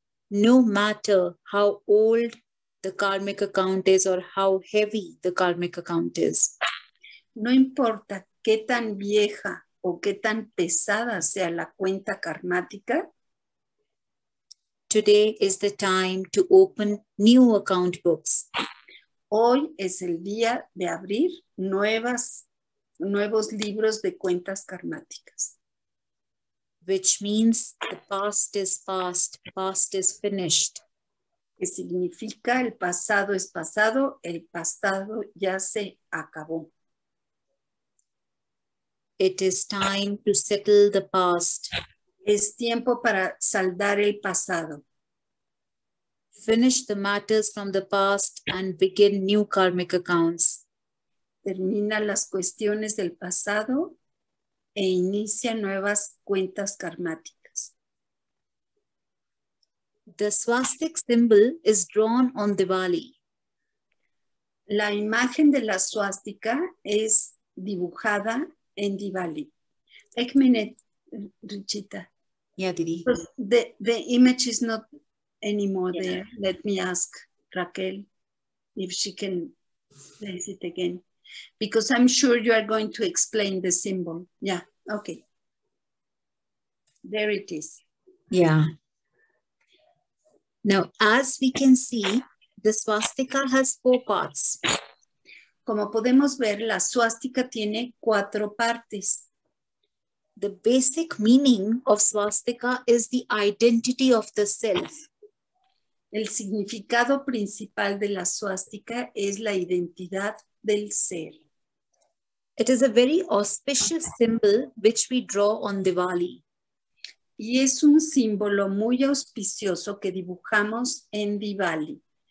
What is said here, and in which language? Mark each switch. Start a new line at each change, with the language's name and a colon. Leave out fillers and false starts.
English: No matter how old the karmic account is or how heavy the karmic account is.
Spanish: No importa qué tan vieja o qué tan pesada sea la cuenta karmática.
English: Today is the time to open new account books.
Spanish: Hoy es el día de abrir nuevos libros de cuentas karmáticas.
English: Which means the past is past, past is finished.
Spanish: Que significa el pasado es pasado, el pasado ya se acabó.
English: It is time to settle the past.
Spanish: Es tiempo para saldar el pasado.
English: Finish the matters from the past and begin new karmic accounts.
Spanish: Termina las cuestiones del pasado e inicia nuevas cuentas karmáticas.
English: The swastik symbol is drawn on Diwali.
Spanish: La imagen de la swastika es dibujada en Diwali.
English: Richita. Yeah, Didi. The image is not anymore there. Yeah. Let me ask Raquel if she can raise it again. Because I'm sure you are going to explain the symbol. Yeah, okay. There it is. Yeah. Now, as we can see, the swastika has four parts.
Spanish: Como podemos ver, la swastika tiene cuatro partes.
English: The basic meaning of swastika is the identity of the self.
Spanish: El significado principal de la swastika es la identidad del ser.
English: It is a very auspicious symbol which we draw on Diwali.
Spanish: Y es un símbolo muy auspicioso que dibujamos en Diwali.